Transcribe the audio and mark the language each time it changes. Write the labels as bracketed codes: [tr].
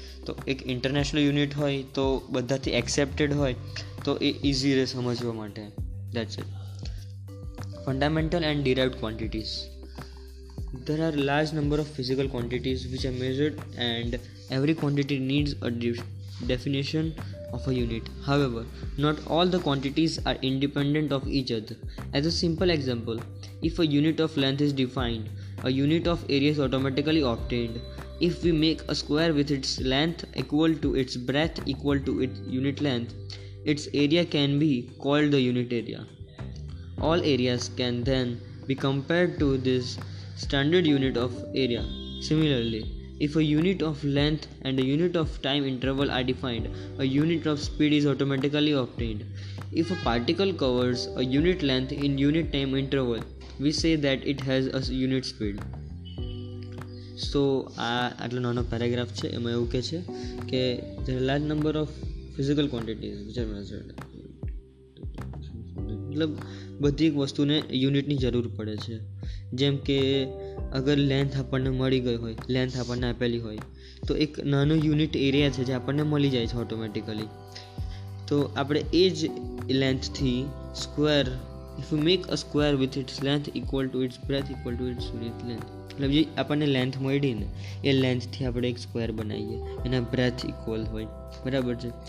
[gu] તો એક international unit હોય તો બધાથી એક્સેપ્ટેડ હોય તો એ ઇઝી રહે સમજવા માટે. [en] That's it. Fundamental and derived quantities. There are large number of physical quantities which are measured and every quantity needs a definition of a unit. However, not all the quantities are independent of each other. As a simple example, if a unit of length is defined, a unit of area is automatically obtained. If we make a square with its length equal to its breadth equal to its unit length, its area can be called the unit area. All areas can then be compared to this standard unit of area. Similarly, if a unit of length and a unit of time interval are defined, a unit of speed is automatically obtained. If a particle covers a unit length in unit time interval, we say that it has a unit speed. [gu] So, આટલો નાનો paragraph છે, એમાં એવું કહે છે કે [en] there are large number of physical quantities which are measured. [gu] મતલબ બધી એક વસ્તુને યુનિટની જરૂર પડે છે. જેમ કે અગર લેન્થ આપણને મળી ગઈ હોય, લેન્થ આપણને આપેલી હોય, તો એક નાનો યુનિટ એરિયા છે જે આપણને મળી જાય છે ઓટોમેટિકલી. તો આપણે એ જ લેન્થથી square, [en] if you make a square with its length equal to its breadth equal to its unit length, [gu] મતલબ જે આપણને લેન્થ મળી ને એ લેન્થથી આપણે એક સ્ક્વેર બનાવીએ, એના બ્રેથ ઇક્વલ હોય, બરાબર છે?